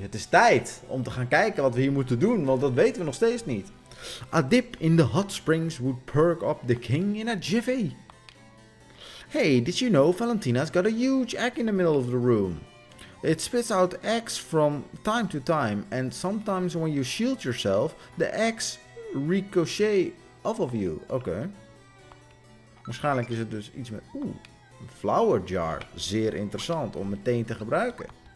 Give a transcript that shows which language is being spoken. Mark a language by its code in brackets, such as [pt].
[nl] Het is tijd om te gaan kijken wat we hier moeten doen, want dat weten we nog steeds niet. [en] A dip in the hot springs would perk up the king in a jiffy. Hey, did you know Valentina's got a huge egg in the middle of the room? It spits out eggs from time to time, and sometimes when you shield yourself, the eggs ricochet off of you. Okay. [nl] Waarschijnlijk is het dus iets met... een flower jar. Zeer interessant om meteen te gebruiken.